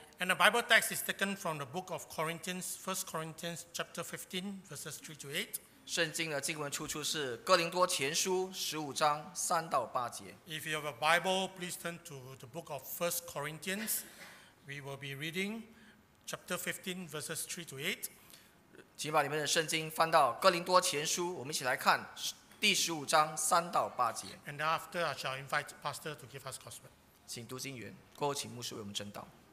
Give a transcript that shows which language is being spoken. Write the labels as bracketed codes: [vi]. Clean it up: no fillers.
[en] And the Bible text is taken from the book of Corinthians, 1 Corinthians chapter 15, verses 3 to 8. [zh] 圣经的经文出处是哥林多前书15章3到8节。 [en] If you have a Bible, please turn to the book of 1 Corinthians. We will be reading chapter 15, verses 3 to 8. [zh] 请把你们的圣经翻到哥林多前书，我们一起来看第15章3到8节。 [en] And after, I shall invite the pastor to give us gospel. [zh] 请读经员，过后请牧师为我们证道。